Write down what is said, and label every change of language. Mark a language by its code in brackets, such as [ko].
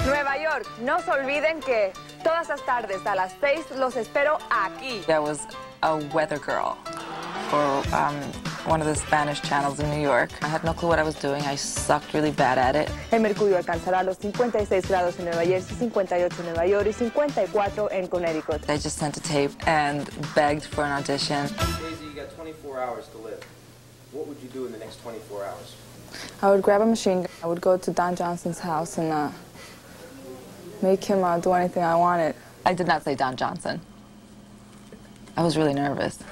[es] Nueva York, no se olviden que todas las tardes a las seis los espero aquí. [en] There was a weather girl for one of the Spanish channels in New York. I had no clue what I was doing. I sucked really bad at it. [es] El mercurio alcanzará los 56 grados en Nueva Jersey, 58 en Nueva York y 54 en Connecticut. [en] I just sent a tape and begged for an audition. Daisy, you got 24 hours to live. What would you do in the next 24 hours? I would grab a machine. I would go to Don Johnson's house and make him do anything I wanted. I did not say Don Johnson. I was really nervous.